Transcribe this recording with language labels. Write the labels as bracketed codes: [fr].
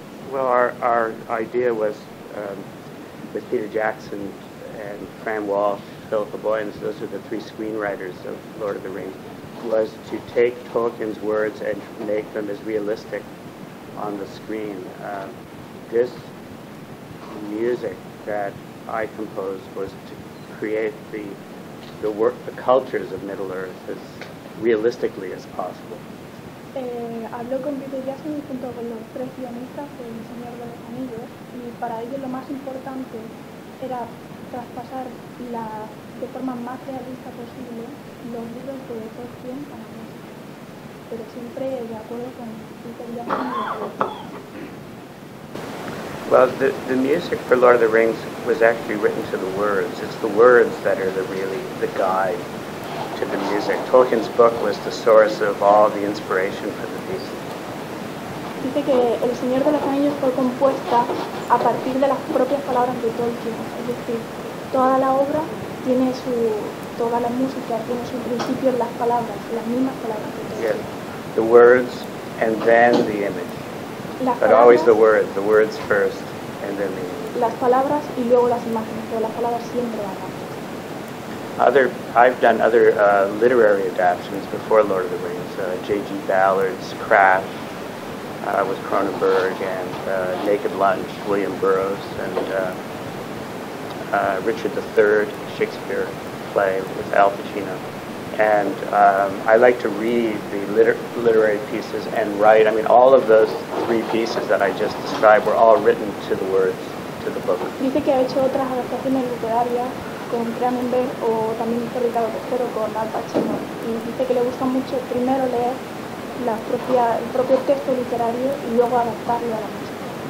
[en] Well, our idea was with Peter Jackson and Fran Walsh, Philippa Boyens, those are the three screenwriters of Lord of the Rings, was to take Tolkien's words and make them as realistic on the screen. This music that I composed was to create the cultures of Middle-earth as realistically as possible. [es] Habló con Peter Jackson junto con los tres guionistas del Señor de los Anillos y para ellos lo más importante era traspasar de forma más realista posible los libros de Tolkien a la música, pero siempre de acuerdo con Peter Jackson y los. [en] Well, the music for Lord of the Rings was actually written to the words. It's the words that are really the guide to the music. Tolkien's book was the source of all the inspiration for the piece. [es] Dice que El Señor de los Anillos fue compuesta a partir de las propias palabras de Tolkien. Es decir, toda la obra tiene toda la música tiene su principio en las palabras, las mismas palabras de Tolkien. [en] Yes. The words and then the image. But always the words first, and then the image. [es] Las palabras y luego las imágenes, pero las palabras siempre van. [en] I've done other literary adaptations before Lord of the Rings. J.G. Ballard's Crash with Cronenberg, and Naked Lunch, William Burroughs, and Richard III, Shakespeare play with Al Pacino. And I like to read the literary pieces and write. I mean, all of those three pieces that I just described were all written to the words, to the book. [es] Dice que ha hecho otras adaptaciones literarias con Cronenberg o también hizo Ricardo III con Al Pacino. Y dice que le gusta mucho primero leer el propio texto literario y luego adaptarlo a la música.